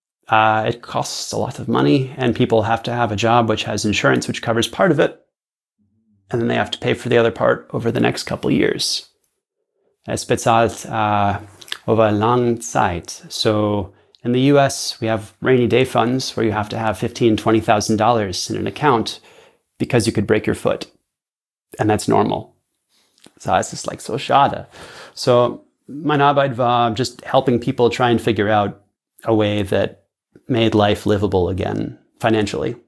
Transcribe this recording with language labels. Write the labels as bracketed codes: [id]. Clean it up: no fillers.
[en] It costs a lot of money, and people have to have a job which has insurance which covers part of it, and then they have to pay for the other part over the next couple of years. [de] Es bezahlt [en] over [de] lang Zeit. [en] So in the US, we have rainy day funds where you have to have $15,000-$20,000 in an account because you could break your foot. And that's normal. So it's just like [de] so schade. [en] So my [de] Arbeit war [en] just helping people try and figure out a way that made life livable again financially.